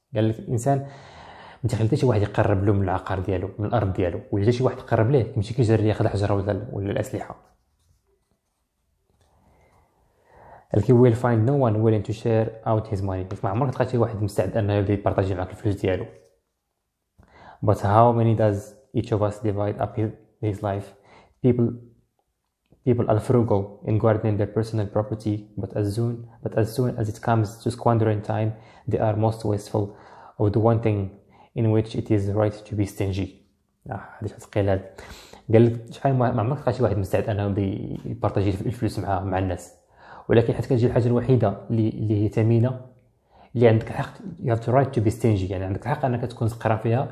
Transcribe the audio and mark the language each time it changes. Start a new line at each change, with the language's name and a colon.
Arabic: قال لك الانسان ما تخليش واحد يقرب له من العقار ديالو من الارض ديالو، ولا شي واحد يقرب ليه يمشي كيجري ياخذ حجره ولا الاسلحه.
English: الكي we'll find no one willing to share out his money.
Arabic: ما عمرك تلقى شي واحد مستعد انه يبارطاجي معك الفلوس ديالو.
English: But how many does each of us divide up his life? People are frugal in guarding their personal property, but as soon as it comes to squandering time, they are most wasteful of the one thing in which it is right to be stingy.
Arabic: هذا شخص قال لك شحال ما عمرك تلقى شي واحد مستعد انه يبارطاجي الفلوس مع الناس، ولكن حيت كتجي الحاجه الوحيده اللي هي ثمينه اللي عندك حق
English: you have the right to be stingy،
Arabic: يعني عندك حق انك تكون تقرا فيها.